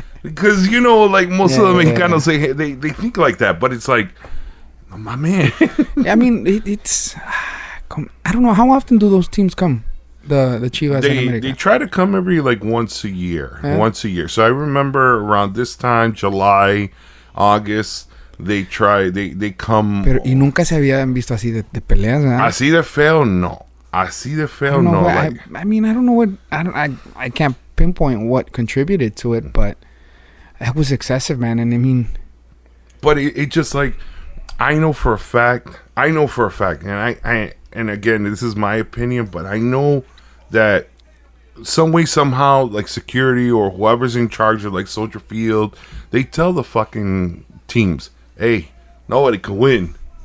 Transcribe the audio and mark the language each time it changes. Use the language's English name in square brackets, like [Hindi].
[English] Because, you know, like most of the Mexicanos, they think like that, but it's like, my man. I mean, it's, I don't know, how often do those teams come? The Chivas and America. They try to come every, like, once a year. Yeah. Once a year. So I remember around this time, July, August, they come. [Spanish] Pero, y nunca se habían visto así de peleas, ¿verdad? Así de feo, no. Así de feo, no. Like, [English] I mean, I don't know what, I can't pinpoint what contributed to it, but it was excessive, man. And I mean. But it just, like, I know for a fact, and and again, this is my opinion, but I know that some way, somehow, like, security or whoever's in charge of, like, Soldier Field, they tell the fucking teams, hey, nobody can win.